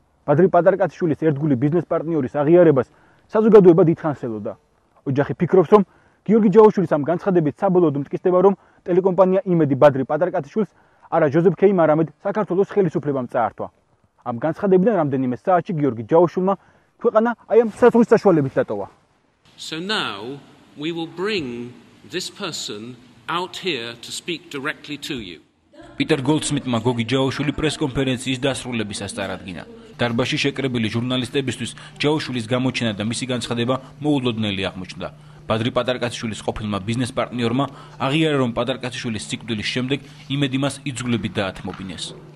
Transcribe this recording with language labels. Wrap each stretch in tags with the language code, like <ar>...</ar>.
<ka>ბადრი პატარკაციშვილის ერთგული ბიზნეს პარტნიორის აღიარებას საზოგადოება დიდხანსელოდა. ოჯახი ფიქრობს, რომ გიორგი ჯაოშვილის ამ განცხადებით საბოლოოდ მტკიცდება, რომ ტელეკომპანია იმედი ბადრი პატარკაციშვილს არა ჯოზეფ ქეიმ, არამედ საქართველოს ხელისუფლებამ წაართვა. ამ განცხადებიდან რამდენიმე საათში გიორგი ჯაოშვილმა ქვეყანა აი ამ საზღვრის საშუალებით დატოვა.</ka> <en>So now we will bring this person out here to speak directly to you.</en> <ka>პიტერ გოლდსმიტმა გოგი ჯაოშვილი პრესკონფერენციის დასრულებისას წარადგინა. დარბაზში შეკრებილი ჟურნალისტებისთვის ჯაოშვილის გამოჩენა და მისი განცხადება მოულოდნელი აღმოჩნდა. ბადრი პატარკაციშვილის ყოფილმა ბიზნეს პარტნიორმა აღიარა, რომ პატარკაციშვილის სიკვდილის შემდეგ იმედი მას იძულებით დაათმობინეს.</ka>